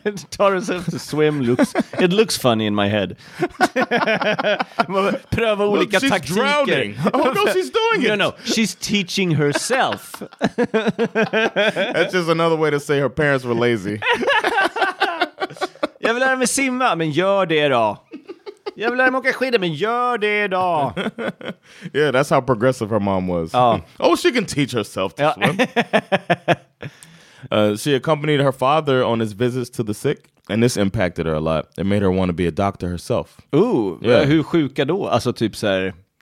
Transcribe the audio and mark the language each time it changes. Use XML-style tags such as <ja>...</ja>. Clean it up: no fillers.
<en>Taught herself to swim. It looks funny in my head.</en> <sv>Pröva olika taktiker.</sv> <en>She's drowning. Oh, no, she's doing it. No, she's teaching herself. That's just another way to say her parents were lazy.</en> <sv>Jag vill lära mig simma, men gör det då. Jag vill lära mig åka skidor, men gör det då.</sv> <en>Yeah, that's how progressive her mom was. Oh, she can teach herself to swim. she accompanied her father on his visits to the sick, and this impacted her a lot. It made her want to be a doctor herself.</en> <sv>Ooh, yeah. Hur sjuka då? Alltså typ så här...</sv>